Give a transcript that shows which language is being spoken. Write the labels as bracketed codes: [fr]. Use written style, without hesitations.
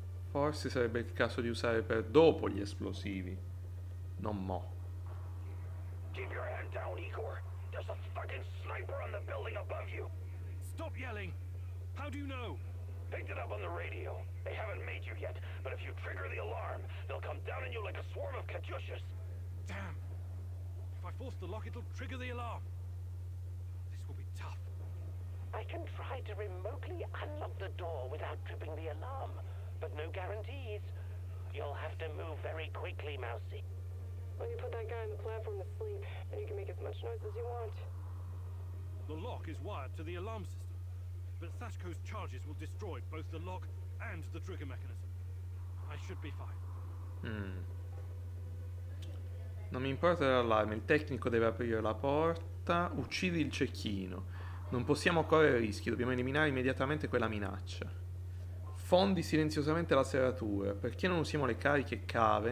[it] Forse sarebbe il caso di usare per dopo gli esplosivi. Non mo. [en] Keep your hand down, Igor. There's a fucking sniper on the building above you. Stop yelling. How do you know? Picked it up on the radio. They haven't made you yet, but if you trigger the alarm, they'll come down on you like a swarm of Katyushas. Damn. If I force the lock, it'll trigger the alarm. This will be tough. I can try to remotely unlock the door without tripping the alarm, but no guarantees. You'll have to move very quickly, Mousy. Well, you put that guy on the platform to sleep, and you can make as much noise as you want. The lock is wired to the alarm system, but Sashko's charges will destroy both the lock and the trigger mechanism. I should be fine. [it] Non mi importa l'allarme, il tecnico deve aprire la porta. Uccidi il cecchino. Non possiamo correre rischi, dobbiamo eliminare immediatamente quella minaccia. Fondi silenziosamente la serratura. Perché non usiamo le cariche cave?